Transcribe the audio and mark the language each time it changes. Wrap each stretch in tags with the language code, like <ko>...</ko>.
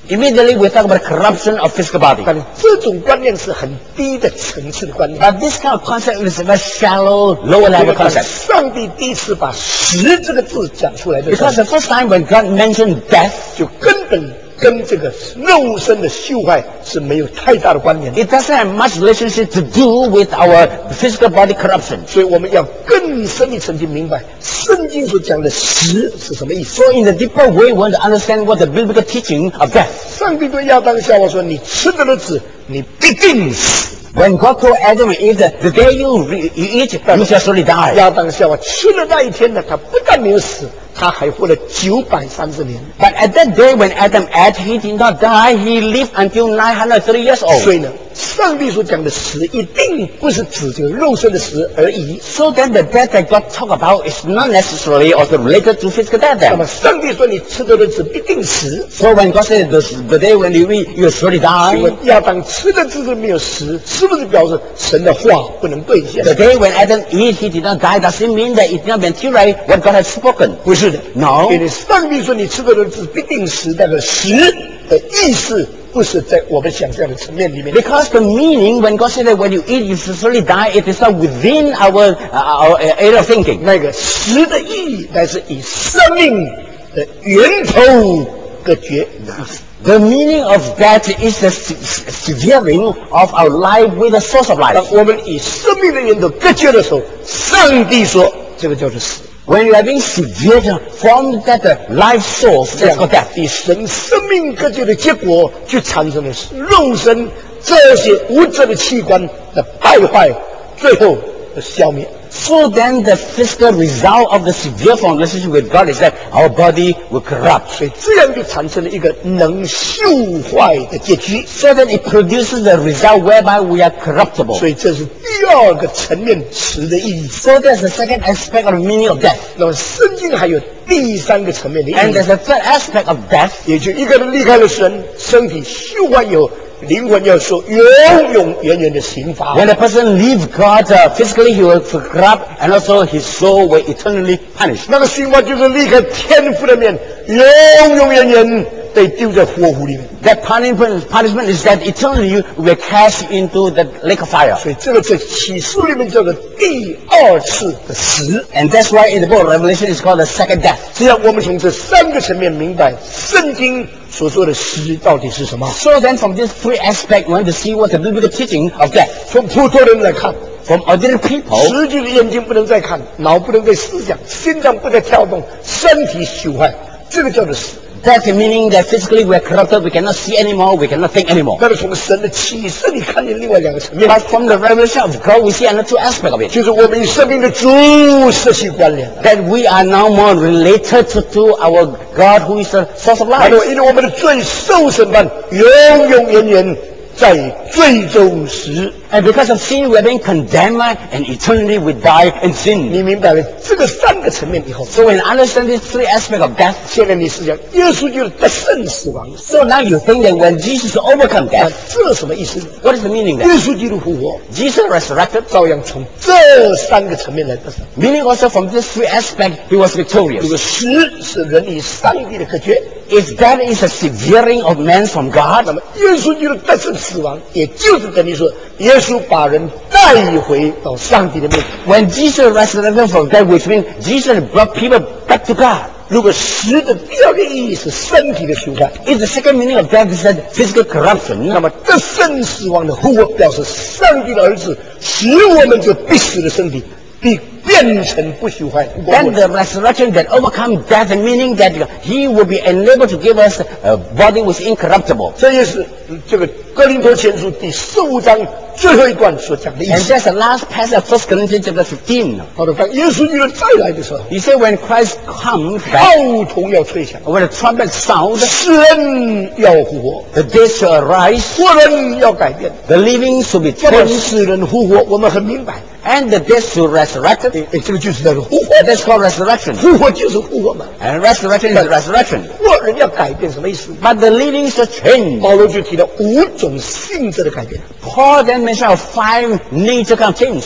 <en>Immediately we talk about the corruption of physical body.</en> <zh>但这种观念是很低的层次的观念。</zh> <en>But this kind of concept is a very shallow, lower level concept.</en> <zh>上帝第一次把死这个字讲出来的时</zh> <en>候。Because the first time when God mentioned death,</en> <zh>就根本跟这个肉身的朽坏是没有太大的关联的。</zh> <en>It doesn't have much relationship to do with our physical body corruption.</en> <zh>所以我们要更深的层次明白圣经所讲的死是什么意思。</zh> <en>So in a deeper way, we want to understand what the biblical teaching of death.</en> <zh>上帝对亚当夏娃说：“你吃的那子，你必定死。”</zh> <en>When God told Adam and Eve, the day you eat, you shall surely die.</en> <zh>亚当夏娃吃了那一天呢，他不但没有死。他还活了930年。</zh> <en>But at that day when Adam ate, he did not die. He lived until 930 years old.</en> <zh>所以呢，上帝所讲的死一定不是指这个肉身的死而已。</zh> <en>So then the death that God talked about is not necessarily also related to physical death.</en> <zh>那么上帝说你吃的日子必定死。</zh> <en>So when God said the day when you eat, you surely die.</en> <zh>因为亚当吃的日子没有死，是不是表示神的话不能兑现</zh> <en>？The day when Adam ate, he did not die. Does it mean that it did not materialize what God has spoken?</en> <zh>不是的</zh> <en>，No.</en> <zh>因为上帝说你吃的日子必定死，那个死的意思。不是在我们想象的层面里面。</zh> <en>Because the meaning when God said that when you eat you surely die, it is not within our area of thinking.</en> <zh>那个食的意义乃是以生命的源头隔绝。</zh> <en>The meaning of that is the severing of our life with the source of life.</en> <zh>当我们以生命的源头隔绝的时候，上帝说这个叫做死。</zh> <en>When you are being severed from that life source, that's called death.</en> <zh>以神生命隔绝的结果，就产生了肉身这些无质的器官的败坏，最后的消灭。</zh> <en>So then the physical result of the severe form of relationship with God is that our body will corrupt.</en> <zh>所以这样就产生了一个能朽坏的结局。</zh> <en>So then it produces the result whereby we are corruptible.</en> <zh>所以这是第二个层面词的意义。</zh> <en>So there's the second aspect of the meaning of death.</en> <zh>那么圣经还有第三个层面的意义。</zh> <en>And there's a third aspect of death.</en> <zh>也就一个人离开了神，身体朽坏以后灵魂要受永永远远的刑罚。</zh> <en>When a person leaves God, physically he will corrupt, and also his soul will eternally punish.</en> <zh>那个刑罚就是离开天父的面，永永远远被丢在火湖里面。</zh> <en>That punishment is that eternally you will cast into the lake of fire.</en> <zh>所以这个在启示里面叫做第二次的死。</zh> <en>And that's why in the book of Revelation is called the second death.</en> <zh>这样我们从这三个层面明白圣经所说的死到底是什么。</zh> <en>So then from these three aspects, we want to see what the biblical teaching of death.</en> <zh>从普通人来看。</zh> <en>from other people.</en> <zh>实际的眼睛不能再看，脑不能再思想，心脏不再跳动，身体朽坏，这个叫做死。</zh> <en>That meaning that physically we are corrupted, we cannot see anymore, we cannot think anymore.</en> <zh>那是从神的启示里看见另外两个层面。</zh> <en>But from the revelation of God, we see another two aspects of it.</en> <zh>就是我们与生命的主息息关联。</zh> <en>That we are now more related to our God, who is the source of life.</en> <zh>因为我们的罪受审判，永永远远在罪中时。</zh> <en>And because of sin, we are being condemned, and eternally we die in sin.</en> <zh>你明白了这个三个层面以后。</zh> <en>So when you understand these three aspects of death,</en> <zh>现在你是讲耶稣就是得胜死亡。</zh> <en>So now you think that when Jesus overcome death,</en> <zh>这什么意思？</zh> <en>What is the meaning?</en> <zh>耶稣基督复活，</zh> <en>Jesus resurrected,</en> <zh>照样从这三个层面来得胜。</zh> <en>Meaning also from these three aspects, he was victorious.</en> <zh>如果死是人与上帝的隔绝，</zh> <en>if that is a severing of man from God,</en> <zh>那么耶稣基督得胜死亡，也就是等于说耶稣把人带回到上帝的面前。</zh> <en>When Jesus resurrected from death, which means Jesus brought people back to God.</en> <zh>如果死的第二个意义是身体的朽坏，</zh> <en>if the second meaning of death is that physical corruption,</en> <zh>那么得胜死亡的复活表示上帝的儿子使我们这必死的身体必变成不朽坏。</zh> <en>Then the resurrection that overcome death, meaning that he will be enabled to give us a body which is incorruptible.</en> <zh>这就是这个哥林多前书第十五章最后一段所讲的意思。</zh> <en>And that's the last passage of 1 Corinthians chapter 15.</en> <zh>好的，当耶稣基督再来的时候，</zh> <en>He said when Christ comes back,</en> <zh>号筒要吹响，</zh> <en>when the trumpet sounds,</en> <zh>死人要复活，</zh> <en>the dead shall arise,</en> <zh>活人要改变，</zh> <en>the living shall be changed.</en> <zh>要让死人复活，我们很明白。</zh> <en>And the dead shall resurrect.</en> <zh>这个就是叫做复活。</zh> <en>That's called resurrection.</en> <zh>复活就是复活嘛。</zh> <en>And resurrection is resurrection.</en> <zh>活人要改变什么意思？</zh> <en>But the living shall change.</en> <zh>保罗就提到五种性质的改变。</zh> <en>Paul then mentioned five nature kind of change.</en>